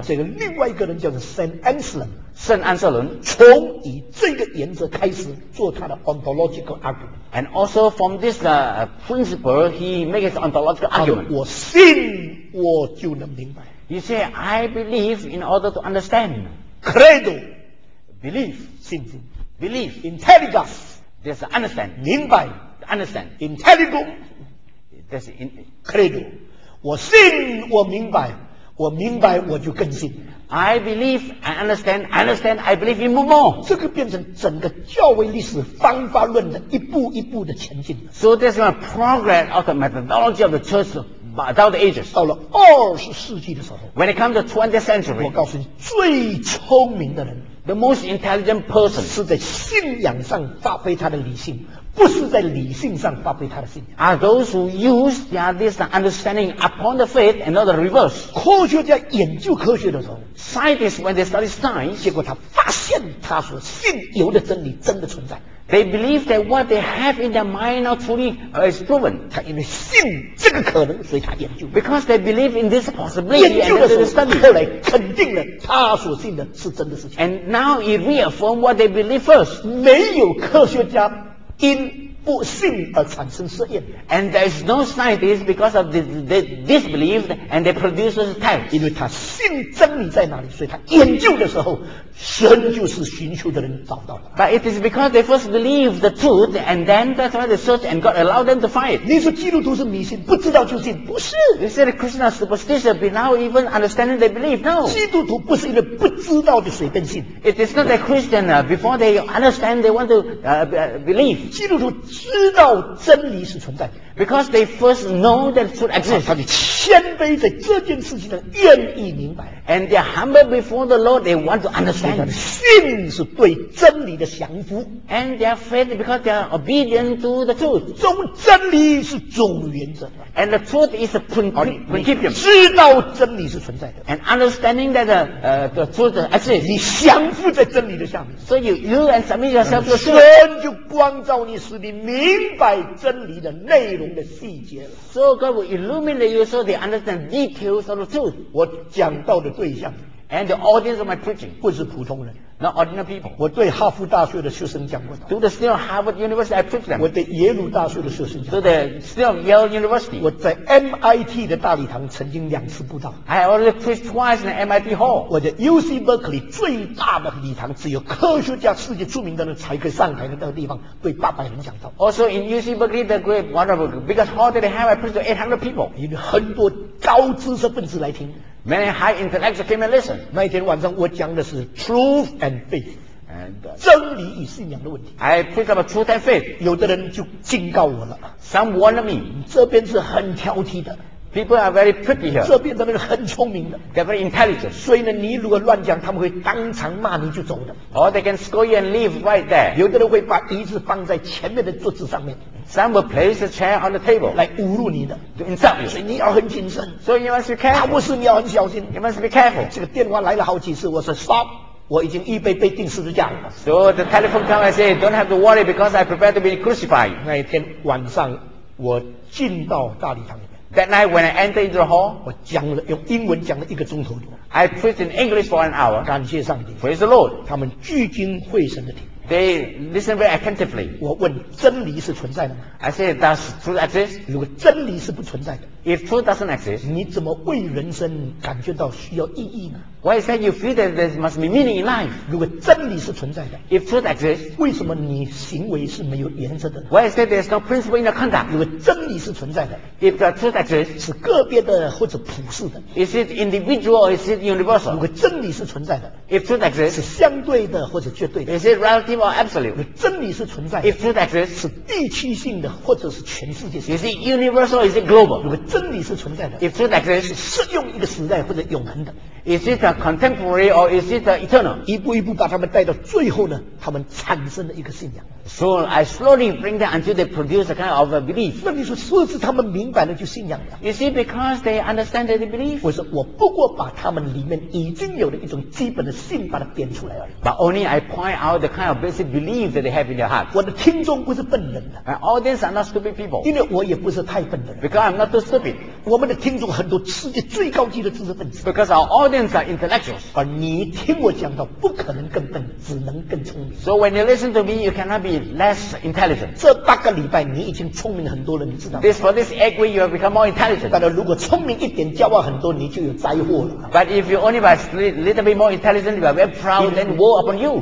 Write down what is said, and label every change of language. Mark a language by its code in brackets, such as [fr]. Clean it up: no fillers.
[zh] 这个另外一个人叫做 Saint Anselm。圣安瑟伦。从以这个原则开始做他的 [en] ontological argument. And also from this principle, he makes his ontological argument. [zh] 我信我就能明白。 [en] He said, I believe in order to understand. [la] Credo. [en] Belief. [zh] 信心。 [en] Belief, intelligence. There's understand. [zh] 明白 [en] understand. Intelligence. There's [la] credo. [zh] 我信，我明白，我明白，我就更信。 [en] I believe, I understand, I understand, I believe even more. [zh] 这个变成整个教会历史方法论的一步一步的前进。 [en] So there's a progress of the methodology of the church down the ages. [zh] 到了20世纪的时候 [en] ，When it comes to 20th century, [zh] 我告诉你，最聪明的人。 [en] The most intelligent person [zh] 是在信仰上发挥他的理性，不是在理性上发挥他的信仰。 [en] Are those who use this understanding upon the faith and not the reverse? [zh] 科学家研究科学的时候 [en] ，scientists when they study science， [zh] 结果他发现他所信有的真理真的存在。 [en] They believe that what they have in their mind now truly is proven. [zh] 他因为信这个可能，所以他研究。 [en] Because they believe in this possibility, [zh] 研究的时候 study 后来肯定了他所信的是真的事情。 [en] And now it reaffirms what they believe first. [zh] 没有科学家 in 不信而产生试验。 [en] And there is no scientist because of the disbelief and they produce tests. [zh] 因为他信真理在哪里，所以他研究的时候，神就是寻求的人找到了。 [en] But it is because they first believe the truth and then that's why they search and God allowed them to find. [zh] 你说基督徒是迷信，不知道就信，不是。 [en] You said Christian are superstitious, but now even understanding they believe. No. [zh] 基督徒不是因为不知道就随便信。 [en] It is not that Christian before they understand they want to believe. [zh] 基督徒知道真理是存在 [en] ，because they first know that truth exists， [zh] 他们谦卑在这件事情上愿意明白 [en] ，and they are humble before the Lord， they want to understand， [zh] 他们信是对真理的降服 [en] ，and their faith because they are obedient to the truth， [zh] 中真理是总原则 [en] ，and the truth is a principle， [zh] 知道真理是存在的 [en] ，and understanding that the truth exists， [zh] 你降服在真理的下面 [en] ，so you and submit yourself to truth， [zh] 神就光照你是。你明白真理的内容的细节了。 [en] So God will illuminate you so they understand details of the truth. [zh] 我讲到的对象 [en] and the audience of my preaching [zh] 不是普通人 [en] not ordinary people. [zh] 我对哈佛大学的学生讲过 [en] to the student of Harvard University I preach them. [zh] 我对耶鲁大学的学生讲 [en] to the student of Yale University. [zh] 我在 MIT 的大礼堂曾经两次布道 [en] I already preached twice in the MIT hall. [zh] 我在 UC Berkeley 最大的礼堂只有科学家世界著名的人才可以上台的那个地方对八百人讲道 [en] Also in UC Berkeley the great one of the biggest hall that they have I preached to 800 people. [zh] 因为很多高知识分子来听。 [en] Many high intellectuals came and listened. [zh] 那一天晚上我讲的是 [en] truth and faith. [zh] 真理与信仰的问题。 [en] I preached about truth and faith. [zh] 有的人就警告我了。 [en] Some warned me. [zh] 这边是很挑剔的。 [en] People are very pretty here. [zh] 这边的人很聪明的。 [en] They're very intelligent. [zh] 所以呢，你如果乱讲，他们会当场骂你就走的。 [en] Or they can scold you and leave right there. [zh] 有的人会把椅子放在前面的桌子上面。 [en] Some will place a chair on the table [zh] 来侮辱你的 [en] to insult you. [zh] 所以你要很谨慎 [en] So you must be careful [zh] 他不是你要很小心 [en] You must be careful [zh] 这个电话来了好几次我说 [en] stop [zh] 我已经预备被钉十字架了 [en] So the telephone come and say Don't have to worry because I prepare to be crucified [zh] 那一天晚上我进到大礼堂里面 [en] That night when I entered into the hall [zh] 我讲了用英文讲了一个钟头 [en] I preached in English for an hour [zh] 感谢上帝 [en] Praise the Lord [zh] 他们聚精会神地听 [en] They listen very attentively. [zh] 我问真理是存在的吗 [en] I say, does truth exist? [zh] 如果真理是不存在的 [en] If truth doesn't exist, [zh] 你怎么为人生感觉到需要意义呢 [en] Why is that you feel that there must be meaning in life? [zh] 如果真理是存在的 [en] If truth exists, [zh] 为什么你行为是没有原则的 [en] Why is that there's no principle in your conduct? [zh] 如果真理是存在的 [en] If the truth exists, [zh] 是个别的或者普世的 [en] Is it individual or is it universal? [zh] 如果真理是存在的 [en] If truth exists, [zh] 是相对的或者绝对的 [en] Is it relative? Or absolute. [zh] 真理是存在的 [en] If truth exists, [zh] 是地区性的或者是全世界性的 [en] Is it universal or is it global? [zh] 如果真理是存在的 [en] If truth exists, [zh] 是适用一个时代或者永恒的 [en] Is it a contemporary or is it a eternal? [zh] 一步一步把他们带到最后呢他们产生了一个信仰 [en] So I slowly bring them until they produce a kind of a belief [zh] 那你说是不是他们明白了就信仰了 [en] Is it because they understand that they believe? [zh] 我说我不过把他们里面已经有的一种基本的信把它点出来而已 [en] But only I point out the kind of belief believe that they have in their heart. [zh] 我的听众不是笨人的。 [en] My audience are not stupid people. [zh] 因为我也不是太笨的人。 [en] Because I'm not too stupid. [zh] 我们的听众很多世界最高级的知识分子。 [en] Because our audience are intellectuals. [zh] 而你听我讲到，不可能更笨，只能更聪明。 [en] So when you listen to me, you cannot be less intelligent. [zh] 这八个礼拜你已经聪明很多了，你知道吗 [en] This for this 8 weeks, you have become more intelligent. [zh] 但是如果聪明一点，骄傲很多，你就有灾祸了。 [en] But if you only by little bit more intelligent, you are very proud, then woe upon you.